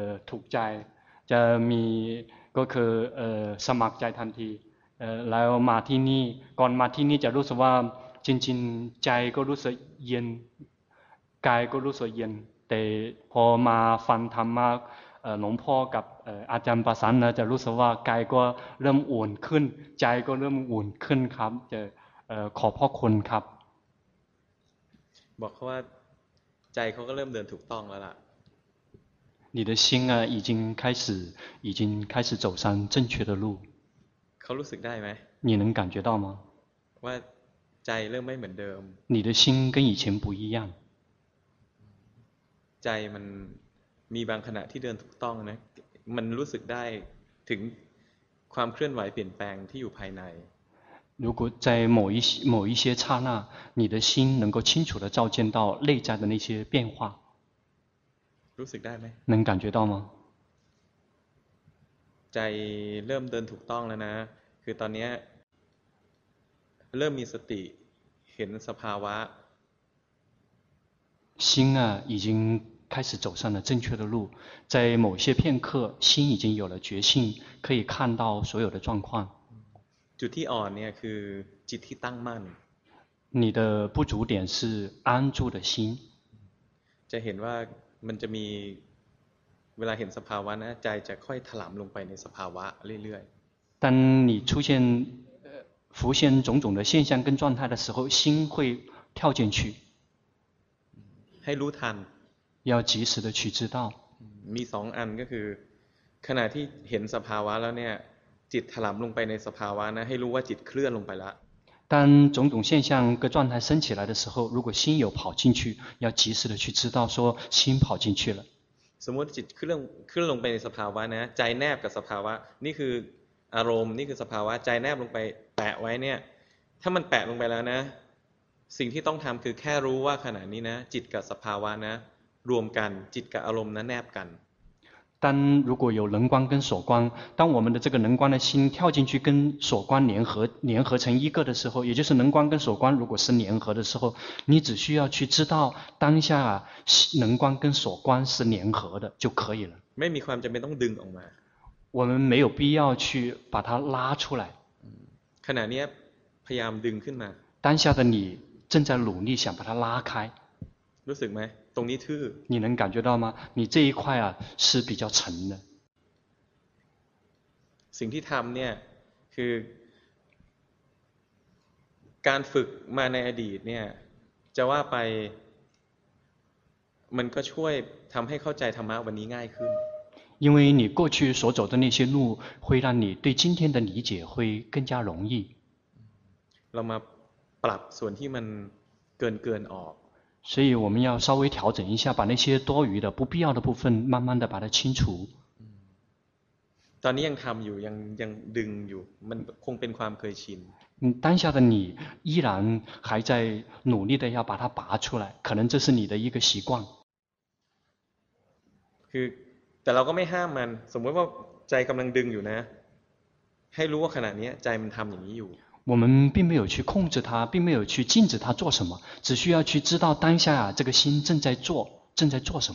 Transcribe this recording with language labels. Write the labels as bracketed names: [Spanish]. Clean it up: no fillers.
[Thai] ถูกใจจะมีก็คือสมัครใจทันทีแล้วมาที่นี่ก่อนมาที่นี่จะรู้สึกว่าจริงๆใจก็รู้สึกเย็นกายก็รู้สึกเย็นแต่พอมาฟังธรรมะหลวงพ่อกับอาจารย์ประสานนะจะรู้สึกว่ากายก็เริ่มอุ่นขึ้นใจก็เริ่มอุ่นขึ้นครับจะขอบพระคุณครับ บอกเขาว่าใจเขาก็เริ่มเดินถูกต้องแล้วล่ะ [Chinese] 你的心啊已经开始走上正确的路 [Thai] เขารู้สึกได้ไ [Chinese] หม你能感觉到吗 [Thai] ว่าใจเริ่มไม่เหมือนเดิม [Chinese] 你的心跟以前不一样 [Thai] ใจมันมีบางขณะที่เดินถูกต้องนะมันรู้สึกได้ถึงความเคลื่อนไหวเปลี่ยนแปลงที่อยู่ภายใน [Chinese] 如果在某一些刹那你的心能够清楚地照见到内在的那些变化 [Thai] รู้สึกได้ไ [Chinese] หม能感觉到吗 [Thai] ใจเริ่มเดินถูกต้องแล้วนะคือตอนนี้เริ่มมีสติเห็นสภาวะ [Chinese] 心啊已经开始走上了正确的路在某些片刻心已经有了觉性可以看到所有的状况 [Thai] จุดที่อ่อนเนี่ยคือจิตที่ตั้งมั่น [Chinese] 你的不足点是安住的心 [Thai] จะเห็นว่ามันจะมีเวลาเห็นสภาวะนะใจจะค่อยถลำลงไปในสภาวะเรื่อย [Chinese] ๆ当你出现浮现种种的现象跟状态的时候心会跳进去 [Thai] ให้รู้ทัน [Chinese] 要及时的去知道 [Thai] มีสองอันก็คือขณะที่เห็นสภาวะแล้วเนี่ยจิตถลำลงไปในสภาวะนะให้รู้ว่าจิตเคลื่อนลงไปละ [Chinese] 当种种现象跟状态升起来的时候如果心有跑进去要及时的去知道说心跑进去了 [Thai] สมมติจิตขึ้นลงไปในสภาวะนะใจแนบกับสภาวะนี่คืออารมณ์นี่คือสภาวะใจแนบลงไปแปะไว้เนี่ยถ้ามันแปะลงไปแล้วนะสิ่งที่ต้องทำคือแค่รู้ว่าขณะนี้นะจิตกับสภาวะนะรวมกันจิตกับอารมณ์นะแนบกัน [Chinese] 当如果有能观跟所观，当我们的这个能观的心跳进去跟所观联合成一个的时候，也就是能观跟所观如果是联合的时候，你只需要去知道当下啊，能观跟所观是联合的就可以了。 [Thai] ไม่มีความจำเป็นต้องดึงออกมา。 [Chinese] 我们没有必要去把它拉出来。 [Thai] ขณะนี้พยายามดึงขึ้นมา。 [Chinese] 当下的你正在努力想把它拉开。 [Thai] รู้สึกไหมตรงนี้ทื่อ [Chinese] 你能感觉到吗你这一块啊是比较沉的 [Thai] สิ่งที่ทำเนี่ยคือการฝึกมาในอดีตเนี่ยจะว่าไปมันก็ช่วยทำให้เข้าใจธรรมะวันนี้ง่ายขึ้น [Chinese] 因为你过去所走的那些路会让你对今天的理解会更加容易 [Thai] เรามาปรับส่วนที่มันเกินออก [Chinese] 所以我们要稍微调整一下把那些多余的不必要的部分慢慢的把它清除 [Thai] ตอนนี้ยังทำอยู่ยังดึงอยู่มันคงเป็นความเคยชิน [Chinese] 当下的你依然还在努力的要把它拔出来可能这是你的一个习惯 [Thai] คือแต่เราก็ไม่ห้ามมันสมมติว่าใจกำลังดึงอยู่นะให้รู้ว่าขณะนี้ใจมันทำอย่างนี้อยู่ [Chinese] 我们并没有去控制它并没有去禁止它做什么只需要去知道当下这个心正在做什